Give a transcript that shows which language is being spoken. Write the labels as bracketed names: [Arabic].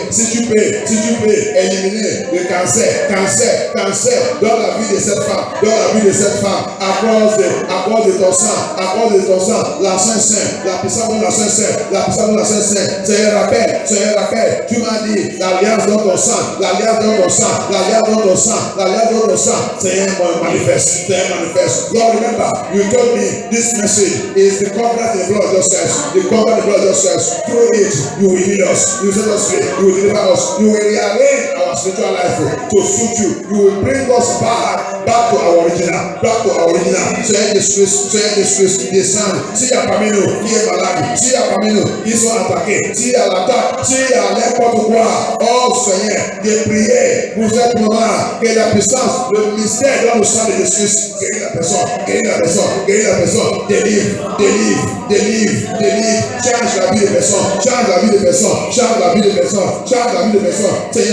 [French] Si tu peux éliminer le cancer, cancer, cancer dans la vie de cette femme, dans la vie de cette femme, à cause de ton sang, à cause de ton sang, la Sainte Sainte, la puissance de la Sainte Sainte, la puissance de la Sainte Sainte. Seigneur, rappelle, Seigneur, rappelle, tu m'as dit, l'alliance dans ton sang, l'alliance dans ton sang, l'alliance dans ton sang, l'alliance dans ton sang. Seigneur, manifeste, Seigneur, manifeste. [English] Lord, remember, you told me this message is the covenant of blood of Jesus, the covenant of blood of Jesus. Through it, you will heal us, you set us free, you will deliver us, you will rearrange our spiritual life to suit you, you will bring us back. Back to our original, back to our original. [French] Seigneur Jésus, descend. S'il y a parmi nous qui est malade, s'il y a parmi nous qui sont attaqués, s'il y a l'attaque, s'il y a n'importe quoi, oh Seigneur, de prier pour cette moment-là, que la puissance, le mystère dans le sang de Jésus, guérit la personne, guérit la personne, guérit la personne, délivre, délivre, délivre, délivre, change la vie de personne, change la vie de personne, change la vie de personne, change la vie de personne. Seigneur, fais ton love, Seigneur, fais ton love, Seigneur, fais ton love, Seigneur, fais ton love.